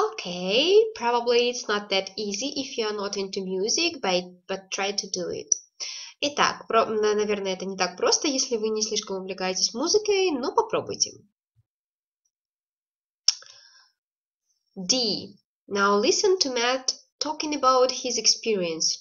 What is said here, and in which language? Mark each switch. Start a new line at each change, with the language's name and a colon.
English: It's not that easy if you are not into music, but try to do it.
Russian: Итак, наверное, это не так просто, если вы не слишком увлекаетесь музыкой, но попробуйте.
English: D. Now listen to Matt talking about his experience.